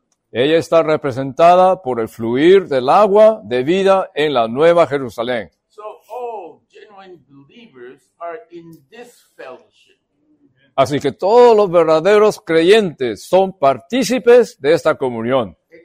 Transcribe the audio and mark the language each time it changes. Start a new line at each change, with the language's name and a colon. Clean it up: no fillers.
Spanish: Ella está representada por el fluir del agua de vida en la Nueva Jerusalén.
English: So all genuine believers are in this fellowship.
Spanish: Así que todos los verdaderos creyentes son partícipes de esta comunión.